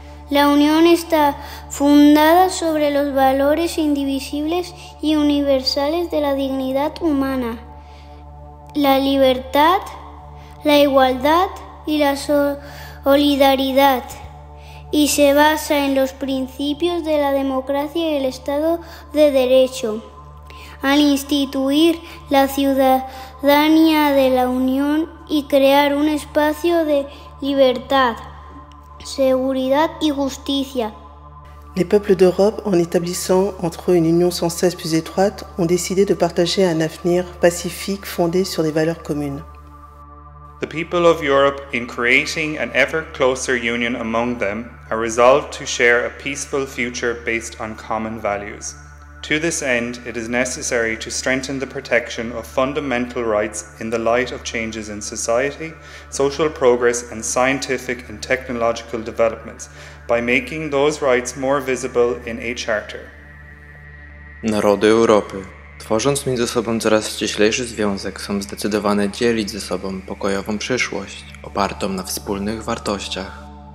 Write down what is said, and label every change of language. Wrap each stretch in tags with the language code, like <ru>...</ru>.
<es>La unión está fundada sobre los valores indivisibles y universales de la dignidad humana, la libertad, la igualdad y la solidaridad, y se basa en los principios de la democracia y el Estado de Derecho. Al instituir la ciudadanía de la Unión y crear un espacio de libertad, seguridad y justicia.</es> <fr>Les peuples d'Europe, en établissant entre eux une union sans cesse plus étroite, ont décidé de partager un avenir pacifique fondé sur des valeurs communes.</fr> <en>The people of Europe, in creating an ever closer union among them, are resolved to share a peaceful future based on common values. To this end, it is necessary to strengthen the protection of fundamental rights in the light of changes in society, social progress, and scientific and technological developments by making those rights more visible in a charter.</en> <pl>Narody Europy, tworząc między sobą coraz ścieślejszy związek, są zdecydowane dzielić ze sobą pokojową przyszłość, opartą na wspólnych wartościach.</pl>